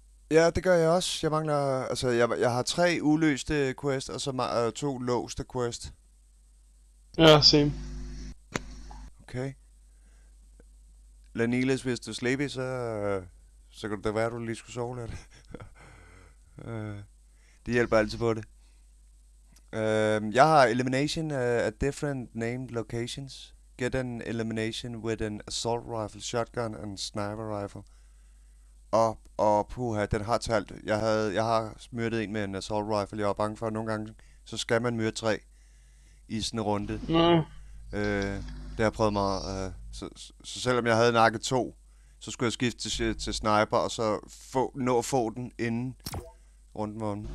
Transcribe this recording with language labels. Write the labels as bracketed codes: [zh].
[da] Ja, det gør jeg også. Jeg mangler, altså jeg har tre uløste quest og så to låste quest. Ja, same. Okay. Lanelius, hvis du er sleepy, så kan det være, at du lige skulle sove lidt. Det hjælper altid på det. Jeg har [en] elimination at different named locations. Get an elimination with an assault rifle, shotgun and sniper rifle. [da] Og puha, den har talt. Jeg har myrdet en med en assault rifle. Jeg var bange for, at nogle gange, så skal man myrde tre i sådan en runde. Nå. Det har prøvet mig. Så selvom jeg havde nakket to, så skulle jeg skifte til sniper, og så nå at få den inden runden var.